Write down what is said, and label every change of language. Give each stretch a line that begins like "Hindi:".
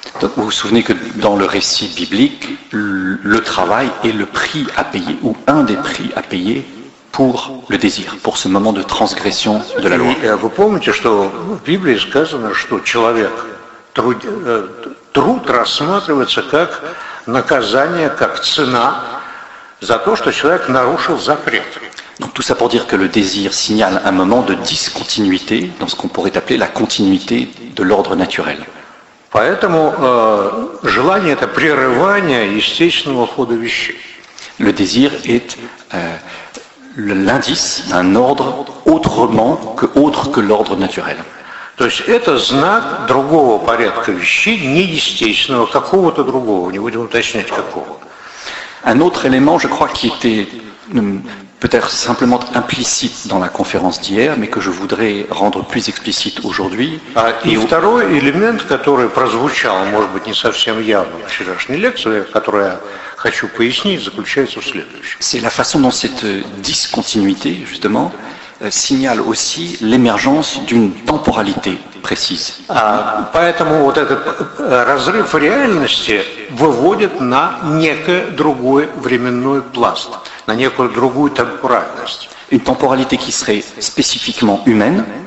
French: Donc, vous vous souvenez que dans le récit biblique, le travail est le prix à payer, ou un des prix à payer pour le désir, pour ce moment de transgression de la loi. Et vous
Russian: помните, что в Библии сказано, что человек, труд рассматривается как наказание, как цена за то, что человек нарушил запрет.
French: Donc tout ça pour dire que le désir signale un moment de discontinuité dans ce qu'on pourrait appeler la continuité de l'ordre naturel.
Russian: Поэтому желание – это прерывание естественного хода вещей.
French: Le désir est l'indice d'un ordre autrement que autre que l'ordre naturel.
Russian: То есть это знак другого порядка вещей, неестественного, какого-то другого, не будем уточнять какого.
French: Un autre élément, je crois, qui était peut-être simplement implicite dans la conférence d'hier, mais que je voudrais rendre plus explicite aujourd'hui.
Russian: Et второй элемент, который прозвучал, может быть, не совсем явно в вчерашней лекции, которую я хочу пояснить, заключается в следующем.
French: C'est la façon dont cette discontinuité, justement, signale aussi l'émergence d'une temporalité précise.
Russian: Поэтому вот этот разрыв реальности выводит на некий другой временной пласт, на некую другую темпоральность.
French: Une temporalité qui serait spécifiquement humaine